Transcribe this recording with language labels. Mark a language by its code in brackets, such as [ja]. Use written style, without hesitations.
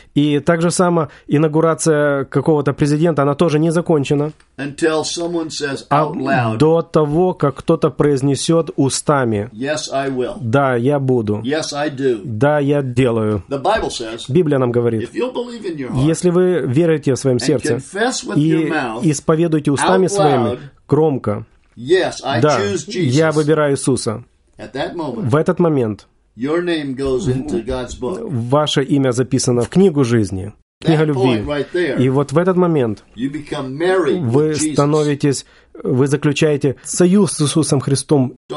[ru] И так же само инаугурация какого-то президента, она тоже не закончена. [en] Until someone says out loud, [ru] до того, как кто-то произнесет устами. [en] Yes, I will. [ru] Да, я буду. [en] Yes, I do. [ru] Да, я делаю. [en] The Bible says, [ru] Библия нам говорит, [en] if you'll believe in your heart, [ru] если вы верите в своем сердце и исповедуете устами [en] loud, [ru] своими громко, [en] yes, I [ru] да, [en] choose Jesus. [ru] Я выбираю Иисуса. [en] At that moment, [ru] в этот момент [en] your name goes into God's book. [ru] Ваше имя записано в книгу жизни, книга любви. [en] Right there, [ru] и вот в этот момент вы становитесь, вы заключаете союз с Иисусом Христом.